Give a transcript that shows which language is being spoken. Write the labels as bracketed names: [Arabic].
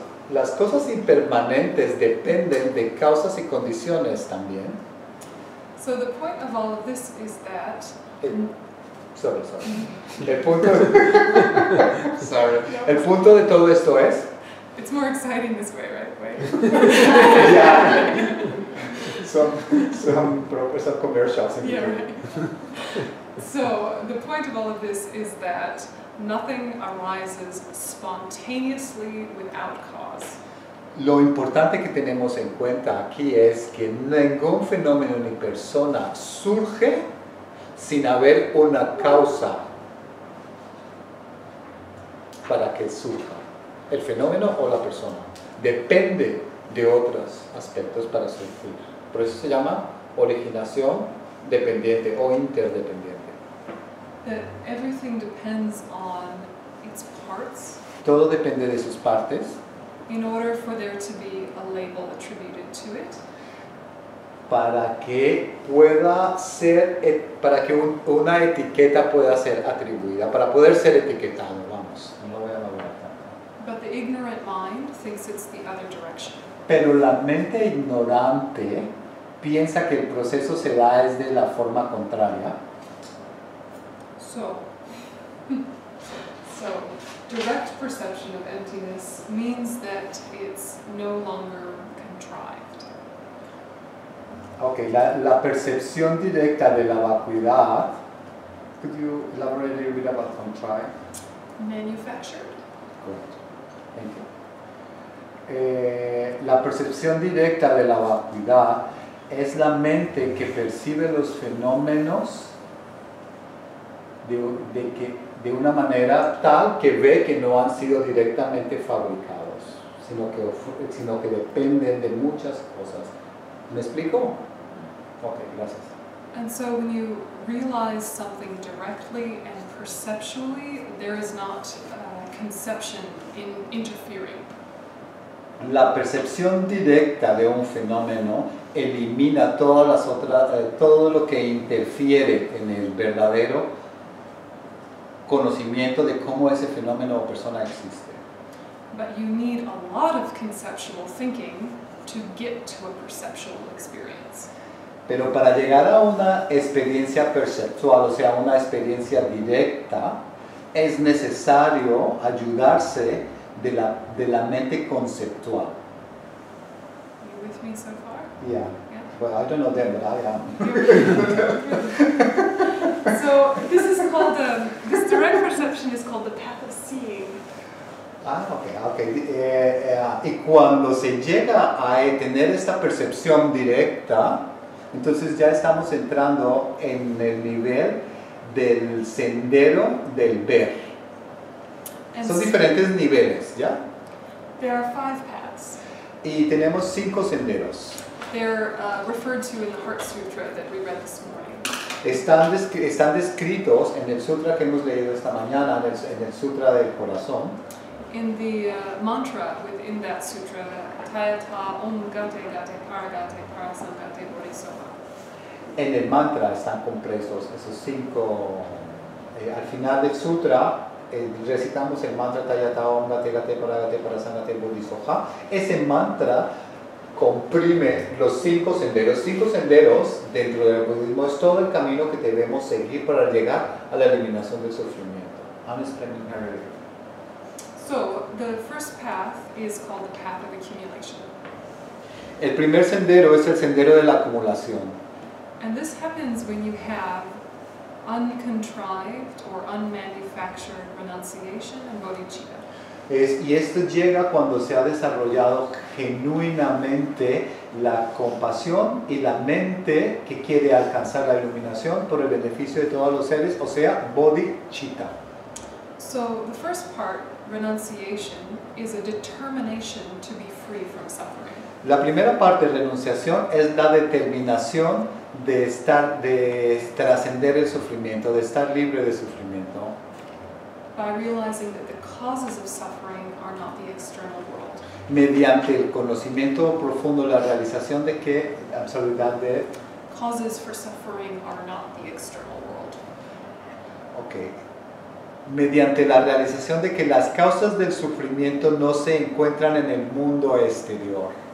[Spanish] Las cosas impermanentes dependen de causas y condiciones también. [English] So the point of all of this is that. [Spanish] El punto de todo esto es. [English] It's more exciting this way, right? Yeah. Some commercials in between. Yeah, right. So the point of all of this is that nothing arises spontaneously without cause. [Spanish] Lo importante que tenemos en cuenta aquí es que ningún fenómeno ni persona surge sin haber una causa para que surja. El fenómeno o la persona depende de otros aspectos para surgir. Por eso se llama originación dependiente o interdependiente. [English] That everything depends on its parts. [Spanish] Todo depende de sus partes. [English] In order for there to be a label attributed to it. [Spanish] Para que pueda ser, para que una etiqueta pueda ser atribuida, para poder ser etiquetado, vamos. No lo voy a elaborar tanto. [English] But the ignorant mind thinks it's the other direction. [Spanish] Pero la mente ignorante piensa que el proceso se da desde la forma contraria. [English] So, direct perception of emptiness means that it's no longer contrived. [Spanish] Okay, la percepción directa de la vacuidad. [English] Could you elaborate a little bit about contrived? Manufactured. Correct. Thank you. [Spanish] La percepción directa de la vacuidad es la mente que percibe los fenómenos de una manera tal que ve que no han sido directamente fabricados, sino que dependen de muchas cosas. ¿Me explico? Okay, gracias. [English] And so when you realize something directly and perceptually, there is not conception in interfering. [Spanish] La percepción directa de un fenómeno elimina todas las otras, todo lo que interfiere en el verdadero conocimiento de cómo ese fenómeno o persona existe. [English] But you need a lot of conceptual thinking to get to a perceptual experience. [Spanish] Pero para llegar a una experiencia perceptual, o sea, una experiencia directa, es necesario ayudarse de la mente conceptual. [English] Are you with me so far? Yeah. Well, I don't know them, but I am. So this is called this direct perception is called the path of seeing. Ah, okay. [Spanish] Y cuando se llega a tener esta percepción directa, entonces ya estamos entrando en el nivel del sendero del ver. [English] And [Spanish] son diferentes niveles, ¿ya? [English] There are five paths. [Spanish] Y tenemos cinco senderos. [English] They're referred to in the Heart Sutra that we read this morning. [Spanish] Están descritos en el sutra que hemos leído esta mañana, en el Sutra del Corazón. [English] In the mantra within that sutra, Tayata Om Gate Gate Paragate Parasangate Bodhisattva. [Spanish] En el mantra están compresos esos cinco. Al final del sutra, recitamos el mantra Tayata Om Gate Gate Paragate Parasangate Bodhisattva. Ese mantra comprime los cinco senderos dentro del budismo. Es todo el camino que debemos seguir para llegar a la eliminación del sufrimiento. [English] I'm explaining her. So, the first path is called the path of accumulation. [Spanish] El primer sendero es el sendero de la acumulación. [English] And this happens when you have uncontrived or unmanufactured renunciation and bodhicitta. [Spanish] Y esto llega cuando se ha desarrollado genuinamente la compasión y la mente que quiere alcanzar la iluminación por el beneficio de todos los seres, o sea, bodhicitta. [English] So the first part, renunciation, is a determination to be free from suffering. [Spanish] La primera parte, renunciación, es la determinación de estar, de trascender el sufrimiento, de estar libre de sufrimiento. [English] By realizing that the causes of suffering are not the external world. [Spanish] Mediante el conocimiento profundo, la realización de que absolutidad de [English] causes for suffering are not the external world. Okay. [Spanish] Mediante la realización de que las causas del sufrimiento no se encuentran en el mundo exterior.